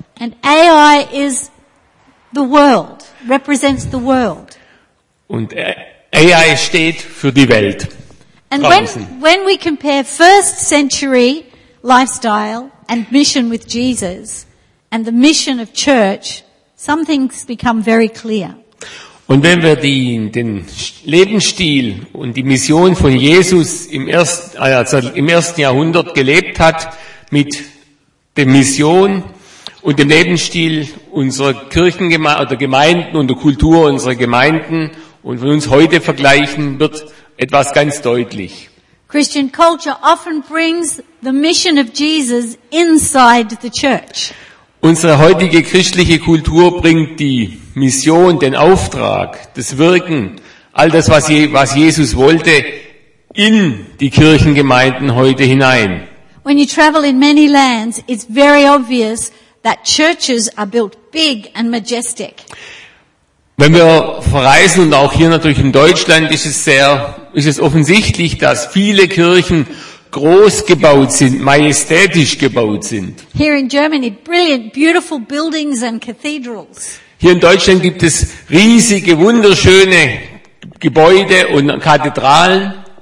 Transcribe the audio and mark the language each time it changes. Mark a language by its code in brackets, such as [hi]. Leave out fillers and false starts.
[en] And Ai is the world, represents the world. [de] Und Ai steht für die Welt. [en] And when we compare first century lifestyle and mission with Jesus and the mission of church, some things become very clear. [de] Und wenn wir den Lebensstil und die Mission von Jesus im ersten Jahrhundert gelebt hat, mit der Mission und dem Lebensstil unserer Gemeinden und der Kultur unserer Gemeinden und von uns heute vergleichen, wird etwas ganz deutlich. [en] Christian culture often brings the mission of Jesus inside the church. [de] Unsere heutige christliche Kultur bringt die Mission, den Auftrag, das Wirken, all das, was Jesus wollte, in die Kirchengemeinden heute hinein. [en] When you travel in many lands, it's very obvious that churches are built big and majestic. [de] Wenn wir verreisen und auch hier natürlich in Deutschland, ist es offensichtlich, dass viele Kirchen groß gebaut sind, majestätisch gebaut sind. [en] Here in Germany, brilliant, beautiful buildings and cathedrals. [de] Hier in Deutschland gibt es riesige, wunderschöne Gebäude und Kathedralen.